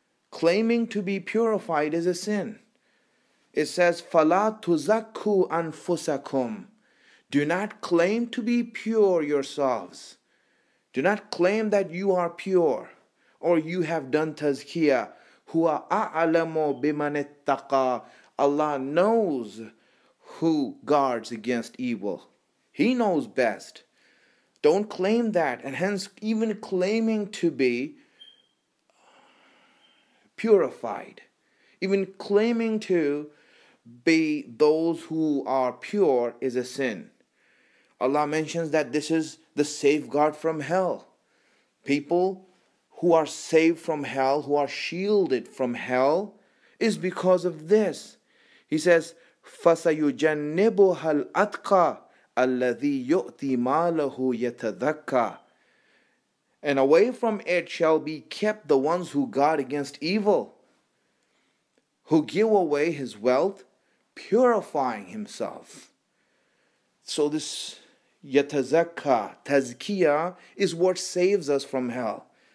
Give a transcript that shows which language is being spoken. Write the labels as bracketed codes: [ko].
[en] Claiming to be purified is a sin. It says, [ar] فَلَا تُزَكُّوا أَنفُسَكُمْ. [en] Do not claim to be pure yourselves. Do not claim that you are pure or you have done tazkiyah. [ar] هُوَ أَعْلَمُ بِمَنِ اتَّقَى. [en] Allah knows who guards against evil. He knows best. Don't claim that, and hence even claiming to be purified, even claiming to be those who are pure is a sin. Allah mentions that this is the safeguard from hell. People who are saved from hell, who are shielded from hell, is because of this. He says, [ar] فَسَيُجَنِّبُهَا الْأَتْقَى الَّذِي يُؤْتِي مَالَهُ يَتَذَكَّى. [en] And away from it shall be kept the ones who guard against evil, who give away his wealth, purifying himself. So this يَتَذَكَّى, tazkiyah, is what saves us from hell.